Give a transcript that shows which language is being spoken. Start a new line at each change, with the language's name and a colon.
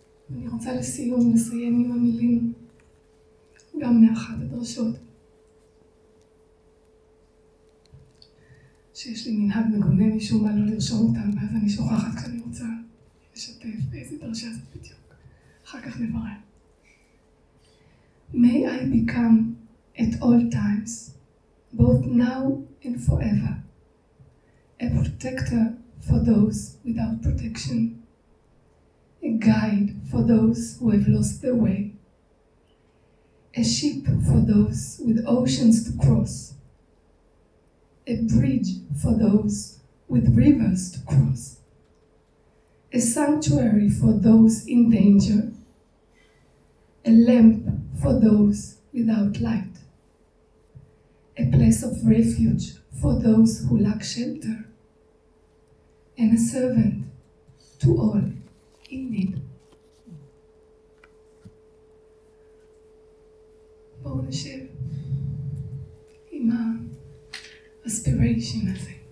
Hebrew: אני רוצה לסיום לסיים עם המילים גם מאחת הדרשות. שיש לי מנהג מגונה משום מה לא לרשום אותם, ואז אני שוכחת כשאני רוצה לשתף איזה דרשה זאת בדיוק. אחר כך נברר.
English: May I become at all times, both now and forever, a protector for those without protection, a guide for those who have lost their way, a ship for those with oceans to cross, a bridge for those with rivers to cross, a sanctuary for those in danger, a lamp for those without light, a place of refuge for those who lack shelter, and a servant to all in need.
Hebrew: בואו נשב עם האספיריישן הזה.